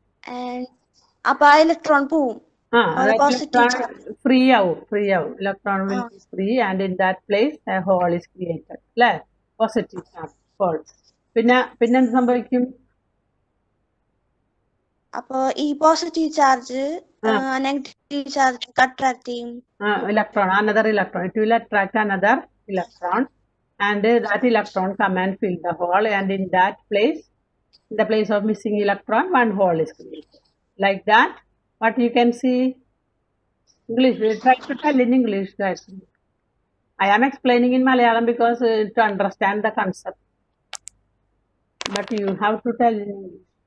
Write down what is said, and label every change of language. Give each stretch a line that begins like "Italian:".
Malayalam: and അപ്പൊ ആ electron പോവും ആ
English: on a positive electron charge.
Malayalam: Free ആവും, ഫ്രീ ആവും,
English: Electron will be free and in that place a hole is created അല്ലേ, positive charge hole.
Malayalam: പിന്നെ പിന്നെ എന്ത് സംഭവിക്കും? അപ്പോ ഈ positive charge ആ negative charge attract ചെയ്യും.
English: ആ electron, another electron, it will attract another electron and that electron come and fill the hole and in that place in the place of missing electron one hole is created like that. What you can see? English try to tell in English Gayathri. I am explaining in Malayalam because to understand the concept but you have to tell in English.